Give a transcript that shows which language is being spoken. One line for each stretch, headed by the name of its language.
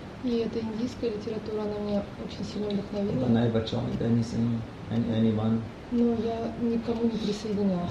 Russian: И эта индийская литература, она меня очень сильно вдохновила.
English: But I never joined anything, anyone.
Russian: Но я никому не присоединялась.